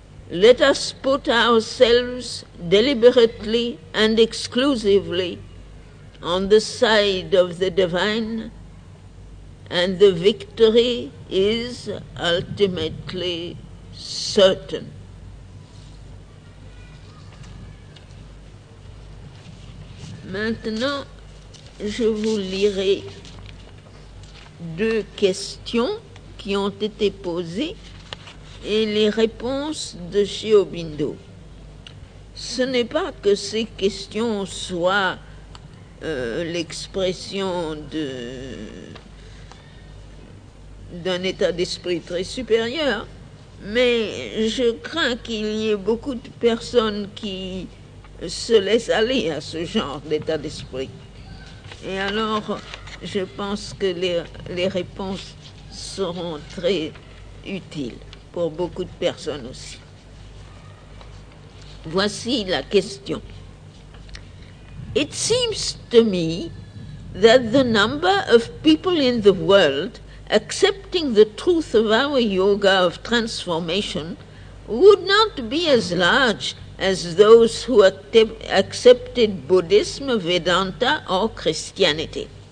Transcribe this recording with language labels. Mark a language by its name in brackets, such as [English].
[English] Let us put ourselves deliberately and exclusively on the side of the divine, and the victory is ultimately certain. [French] Maintenant, je vous lirai deux questions qui ont été posées et les réponses de Sri Aurobindo. Ce n'est pas que ces questions soient l'expression d'un état d'esprit très supérieur, mais je crains qu'il y ait beaucoup de personnes qui se laisse aller à ce genre d'état d'esprit. Et alors, je pense que les réponses seront très utiles pour beaucoup de personnes aussi. Voici la question. [English] It seems to me that the number of people in the world accepting the truth of our yoga of transformation would not be as large as those who accepted Buddhism, Vedanta or Christianity.